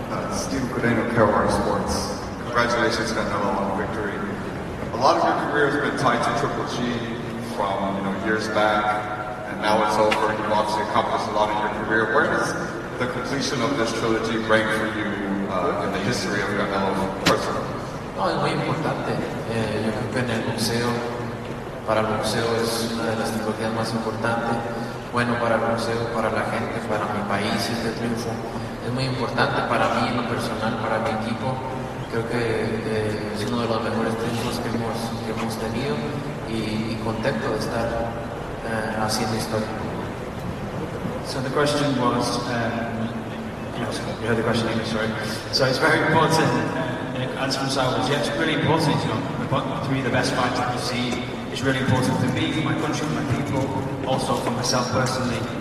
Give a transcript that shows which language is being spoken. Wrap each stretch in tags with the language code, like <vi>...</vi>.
<en>Steve Codeno, Caravan Sports. Congratulations, Canelo, on the victory. A lot of your career has been tied to Triple G. From, you know, years back, and now it's over. You've obviously accomplished a lot in your career. Where does the completion of this trilogy rank for you in the history of your Canelo personally?</en> <es>No, es muy importante. Yo creo que en el boxeo, para el boxeo es una de las trilogías más importantes. Bueno, para el boxeo, para la gente, para mi país, este triunfo es muy importante para mí, en lo personal, para mi equipo. Creo que es uno de los mejores triunfos que hemos tenido. Y contento de estar haciendo historia.</es> <en>So the question was, you heard the question in English, right? So it's very important, as from Sal was, yeah, it's really important, you know, to be the best fighter I've seen. It's really important for me, for my country, for my people, also for myself personally.</en>